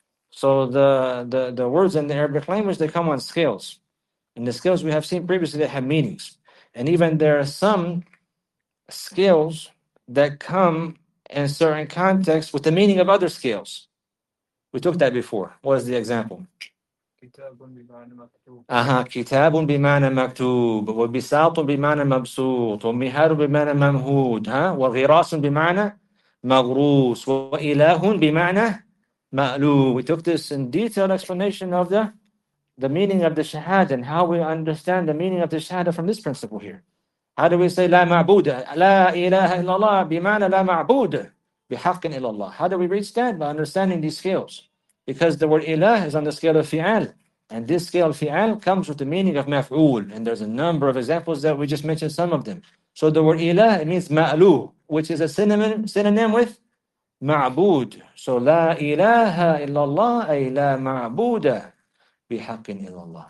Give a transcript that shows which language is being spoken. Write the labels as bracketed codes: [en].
[en] So the words in the Arabic language, they come on scales, and the scales we have seen previously, they have meanings, and even there are some scales that come in certain contexts with the meaning of other scales. We took that before. What is the example? [ar] كتاب بمعنى مكتوب وبساط بمعنى مبسوط ومهار بمعنى ممهود وغراس بمعنى مغروس وإله بمعنى مألوف. [en] We took this in detail explanation of the meaning of the shahada and how we understand the meaning of the shahada from this principle here. [ar] How do we say لا معبود لا إله إلا الله بمعنى لا معبود بحق إلا الله? [en] How do we reach that? By understanding these scales. Because the word ilah is on the scale of fi'al. And this scale of fi'al comes with the meaning of maf'ul. And there's a number of examples that we just mentioned, some of them. So the word ilah, it means ma'lu, which is a synonym with ma'bud. So la ilaha illallah, ay la ma'buda bihaqin illallah.